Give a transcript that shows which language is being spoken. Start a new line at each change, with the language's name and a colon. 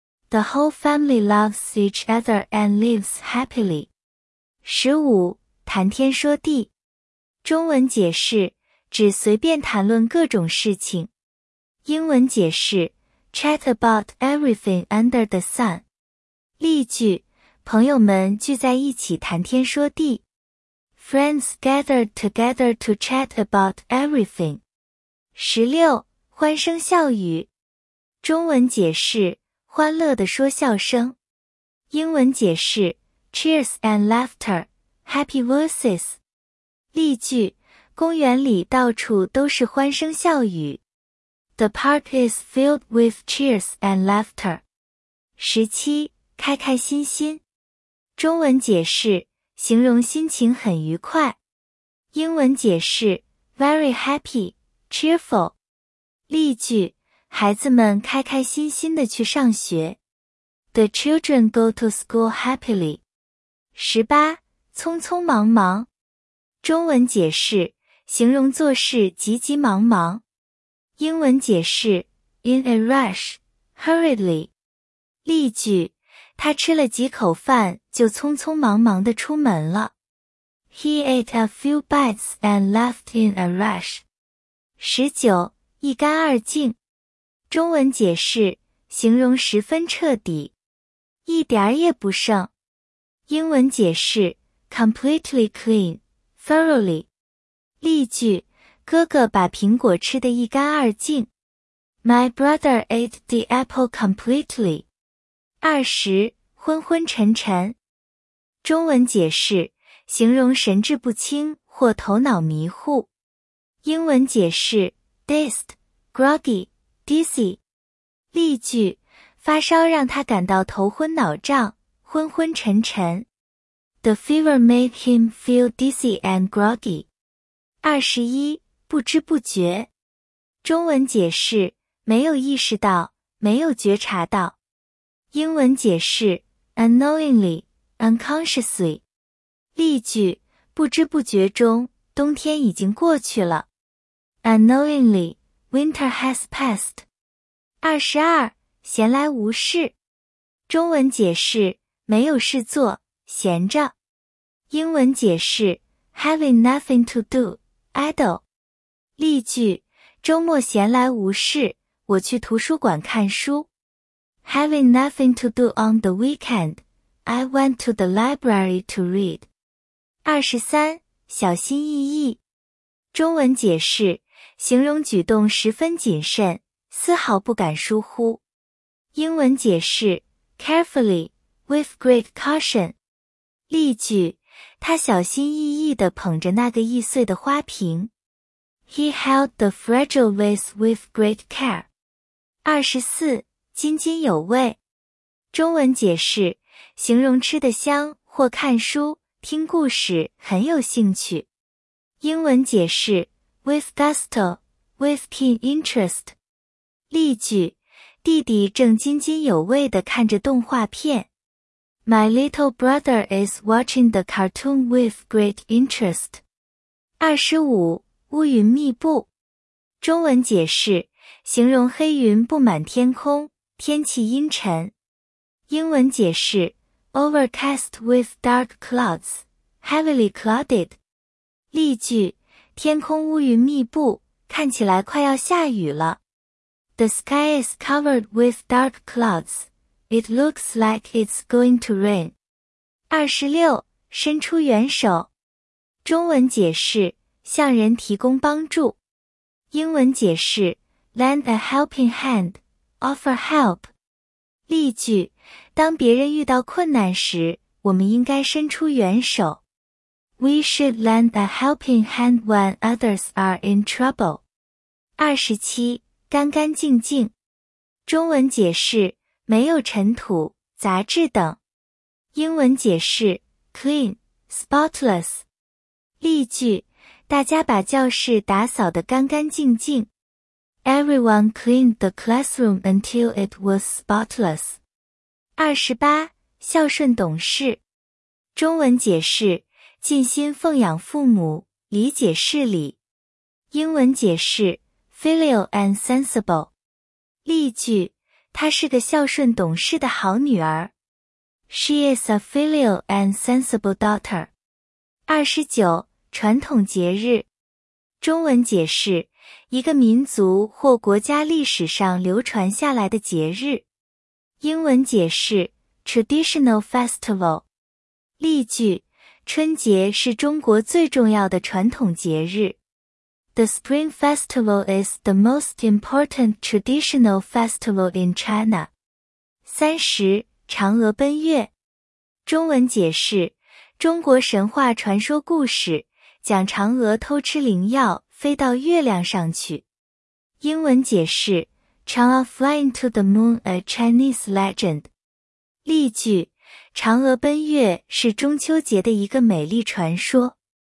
English: The whole family loves each other and lives happily.
Chinese: 15. 谈天说地。中文解释，指随便谈论各种事情。英文解释，
English: chat about everything under the sun.
Chinese: 例句，朋友们聚在一起谈天说地。
English: Friends gather together to chat about everything. 16.
Chinese: 欢声笑语。中文解释，欢乐的说笑声。英文解释，
English: cheers and laughter, happy voices.
Chinese: 例句，公园里到处都是欢声笑语。
English: The park is filled with cheers and laughter.
Chinese: 17. 开开心心。中文解释，形容心情很愉快。英文解释，
English: very happy, cheerful.
Chinese: 例句，孩子们开开心心地去上学。
English: The children go to school happily. 18.
Chinese: 匆匆忙忙。中文解释，形容做事急急忙忙。英文解释，
English: in a rush, hurriedly.
Chinese: 例句，他吃了几口饭就匆匆忙忙地出门了。
English: He ate a few bites and left in a rush.
Chinese: 19. 一干二净。中文解释，形容十分彻底，一点也不剩。英文解释，
English: completely clean, thoroughly.
Chinese: 例句，哥哥把苹果吃得一干二净。
English: My brother ate the apple completely. 20.
Chinese: 昏昏沉沉。中文解释，形容神志不清或头脑迷糊。英文解释，
English: dazed, groggy, dizzy.
Chinese: 例句，发烧让他感到头昏脑胀，昏昏沉沉。
English: The fever made him feel dizzy and groggy.
Chinese: 21. 不知不觉。中文解释，没有意识到，没有觉察到。英文解释，
English: unknowingly, unconsciously.
Chinese: 例句，不知不觉中，冬天已经过去了。
English: Unknowingly, winter has passed. 22.
Chinese: 闲来无事。中文解释，没有事做，闲着。英文解释，
English: having nothing to do, idle.
Chinese: 例句，周末闲来无事，我去图书馆看书。
English: Having nothing to do on the weekend, I went to the library to read.
Chinese: 23. 小心翼翼。中文解释，形容举动十分谨慎，丝毫不敢疏忽。英文解释，
English: carefully, with great caution.
Chinese: 例句，他小心翼翼地捧着那个易碎的花瓶。
English: He held the fragile vase with great care.
Chinese: 24. 津津有味。中文解释，形容吃得香或看书、听故事很有兴趣。英文解释，
English: with gusto, with keen interest.
Chinese: 例句，弟弟正津津有味地看着动画片。
English: My little brother is watching the cartoon with great interest.
Chinese: 25. 乌云密布。中文解释，形容黑云布满天空，天气阴沉。英文解释，
English: overcast with dark clouds, heavily clouded.
Chinese: 例句，天空乌云密布，看起来快要下雨了。
English: The sky is covered with dark clouds. It looks like it's going to rain. 26.
Chinese: 伸出援手。中文解释，向人提供帮助。英文解释，
English: lend a helping hand, offer help.
Chinese: 例句，当别人遇到困难时，我们应该伸出援手。
English: We should lend a helping hand when others are in trouble.
Chinese: 27. 干干净净。中文解释，没有尘土、杂质等。英文解释，
English: clean, spotless.
Chinese: 例句，大家把教室打扫得干干净净。
English: Everyone cleaned the classroom until it was spotless.
Chinese: 28. 孝顺懂事。中文解释，尽心奉养父母，理解事理。英文解释，
English: filial and sensible.
Chinese: 例句，她是个孝顺懂事的好女儿。
English: She is a filial and sensible daughter. 29.
Chinese: 传统节日。中文解释，一个民族或国家历史上流传下来的节日。英文解释，
English: traditional festival.
Chinese: 例句，春节是中国最重要的传统节日。
English: The Spring Festival is the most important traditional festival in China.
Chinese: 30. 嫦娥奔月。中文解释，中国神话传说故事，讲嫦娥偷吃灵药，飞到月亮上去。英文解释，
English: Chang'e flying to the moon, a Chinese legend.
Chinese: 例句，嫦娥奔月是中秋节的一个美丽传说。